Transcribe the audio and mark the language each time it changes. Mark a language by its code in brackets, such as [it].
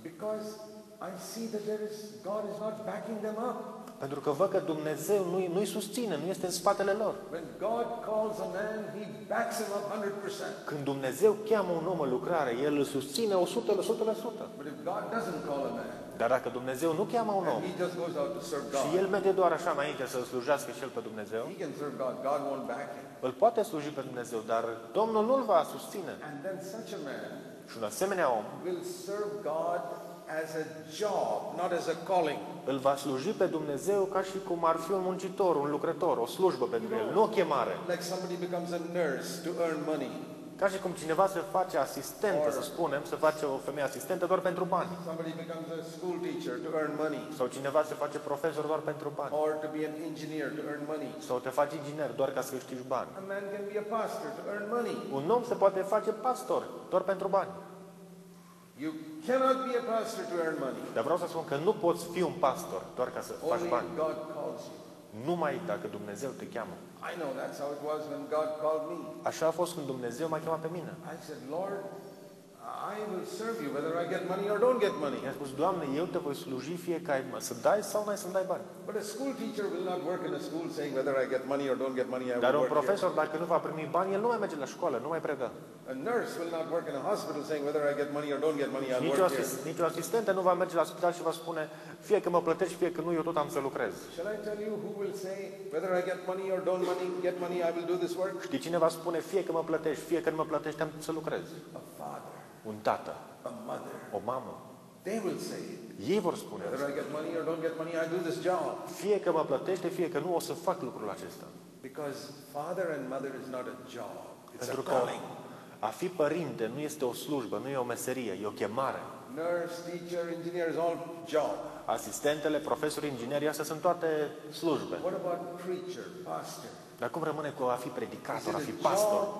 [en] Because I see that there is God is not backing them up. [ro] Pentru că văd că Dumnezeu nu-i susține, nu este în spatele lor. [en] When God calls a man, he backs him up 100%. [ro] Când Dumnezeu cheamă un om în lucrare, el îl susține 100%. [en] But if God doesn't call a man, [ro] dar dacă Dumnezeu nu cheamă un om, [en] he just goes out to serve God. [ro] Și el merge doar așa înainte să slujească și el pe Dumnezeu, [en] he can serve God. God won't back him. [ro] Îl poate sluji pe Dumnezeu, dar Domnul nu-l va susține. [en] And then such a man, [ro] și un asemenea om, [en] will serve God as a job, not as a calling. [ro] Îl va sluji pe Dumnezeu ca și cum ar fi un muncitor, un lucrător, o slujbă pentru el, nu o chemare. [en] Like somebody becomes a nurse to earn money. [ro] Ca și cum cineva se face asistentă, să spunem, se face o femeie asistentă doar pentru bani. [en] Somebody becomes a school teacher to earn money. [ro] Sau cineva se face profesor doar pentru bani. [en] Or to be an engineer to earn money. [ro] Sau te faci inginer doar ca să câștigi bani. [en] A man can be a pastor to earn money. [ro] Un om se poate face pastor doar pentru bani. [en] You cannot be a pastor to earn money. [ro] Dar vreau să spun că nu poți fi un pastor doar ca să faci bani. [en] Only God calls you. [ro] Numai dacă Dumnezeu te cheamă. [en] I know that's how it was when God called me. [ro] Așa a fost când Dumnezeu m-a chemat pe mine. [en] I said, Lord, I will serve you whether I get money or don't get money. [ro] I-a spus, Doamne, eu te voi sluji fie că ai să dai sau n-ai să dai bani. [en] But a school teacher will not work in a school saying whether I get money or don't get money. [ro] Dar un profesor, dacă nu va primi bani, el nu mai merge la școală, nu mai predă. [en] A nurse will not work in a hospital saying whether I get money or don't get money. [ro] Nici o asistentă nu va merge la spital și va spune fie că mă plătești, fie că nu, eu tot am să lucrez. [en] Shall I tell you who will say whether I get money or don't money, get money, I will do this work? [ro] Știi cine va spune fie că mă plătești, fie că nu mă plătești, am să lucrez. [en] A father. [ro] Un tată, [en] a mother, [ro] o mamă. [en] They will say, [ro] ei vor spune [en] whether I get money or don't get money, I do this job. [ro] Fie că mă plătește, fie că nu, o să fac lucrul acesta. [en] Because father and mother is not a job. [ro] Pentru că a fi părinte nu este o slujbă, nu e o meserie, e o chemare. [en] Nurse, teacher, engineer is all job. [ro] Asistentele, profesori, ingineri, astea sunt toate slujbe. [en] What about preacher, pastor? [ro] Dar cum rămâne cu a fi predicator, a fi pastor?